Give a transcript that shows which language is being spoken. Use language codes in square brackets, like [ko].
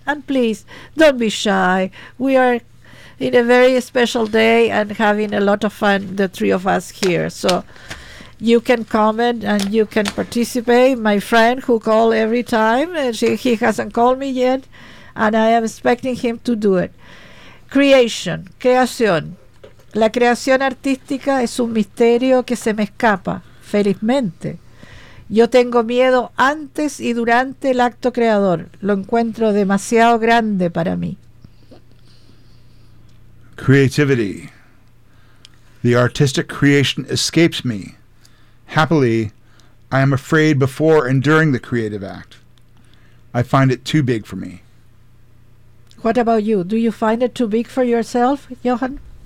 [en] And please, don't be shy. We are in a very special day and having a lot of fun, the three of us here. So you can comment and you can participate. My friend who call every time, he hasn't called me yet, and I am expecting him to do it. [es] Creación. La creación artística es un misterio que se me escapa, felizmente. Yo tengo miedo antes y durante el acto creador. Lo encuentro demasiado grande para mí. [en] Creativity. The artistic creation escapes me. Happily, I am afraid before and during the creative act. I find it too big for me. What about you? Do you find it too big for yourself, Johan?